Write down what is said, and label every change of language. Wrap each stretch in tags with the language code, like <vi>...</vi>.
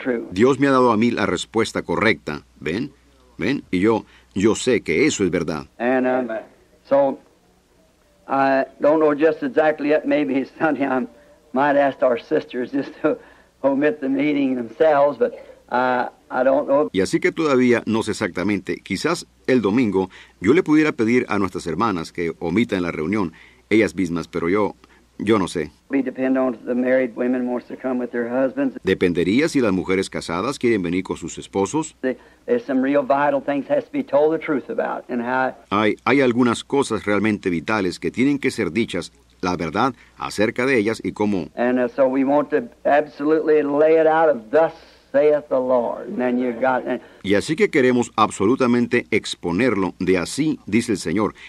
<es>Dios me ha dado a mí la respuesta correcta. ¿Ven? Y yo sé que eso es verdad.</es> <en>And, so, I don't know just exactly yet, maybe Sunday I'm might ask our sisters just to omit the meeting themselves, but I don't know.</en> <es>Y así que todavía no sé exactamente. Quizás el domingo yo le pudiera pedir a nuestras hermanas que omitan la reunión ellas mismas, pero yo no sé.</es> <en>We depend on the married women wants to come with their husbands.</en> <es>Dependería si las mujeres casadas quieren venir con sus esposos.</es> <en>There's some real vital things has to be told the truth about, and how.</en> <es>Hay algunas cosas realmente vitales que tienen que ser dichas. La verdad acerca de ellas y cómo.</es> <en>And so we want to absolutely lay it out of thus saith the Lord. And then you've got.</en> <es>Y así que queremos absolutamente exponerlo de así dice el Señor.</es>